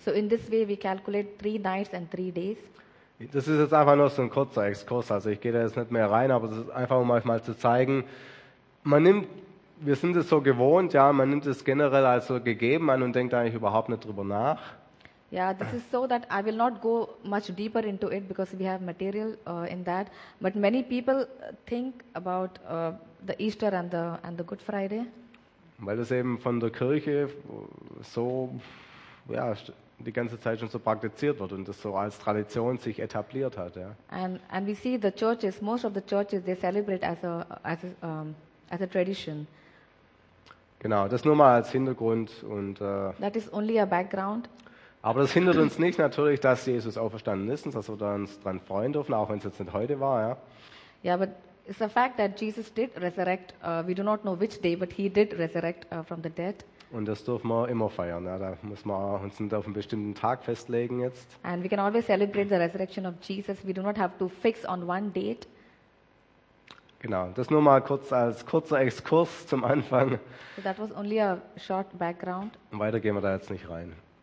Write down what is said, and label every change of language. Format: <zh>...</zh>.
<en>So in this way we calculate 3 nights and 3 days.</en> <de>Das ist jetzt einfach nur so ein kurzer Exkurs, also ich gehe da jetzt nicht mehr rein, aber es ist einfach um euch mal zu zeigen, wir sind es so gewohnt, ja, man nimmt es generell als so gegeben an und denkt eigentlich überhaupt nicht drüber nach.</de> <en>Yeah, this is so that I will not go much deeper into it because we have material in that. But many people think about the Easter and the Good Friday.</en> <de>Weil das eben von der Kirche so ja die ganze Zeit schon so praktiziert wird und das so als Tradition sich etabliert hat, ja.</de> <en>And we see the churches, most of the churches, they celebrate as a tradition.</en> <de>Genau, das nur mal als Hintergrund und.</de> <en>That is only a background.</en> <de>Aber das hindert uns nicht natürlich, dass Jesus auferstanden ist und dass wir uns daran freuen dürfen, auch wenn es jetzt nicht heute war. Ja,</de> <en>yeah, but it's a fact that Jesus did resurrect. We do not know which day, but he did resurrect from the dead.</en> <de>Und das dürfen wir immer feiern. Ja. Da muss man uns nicht auf einen bestimmten Tag festlegen jetzt.</de> <en>And we can always celebrate the resurrection of Jesus. We do not have to fix on one date.</en> <de>Genau, das nur mal kurz als kurzer Exkurs zum Anfang.</de> <en>So that was only a short background.</en> <de>Und weiter gehen wir da jetzt nicht rein.</de>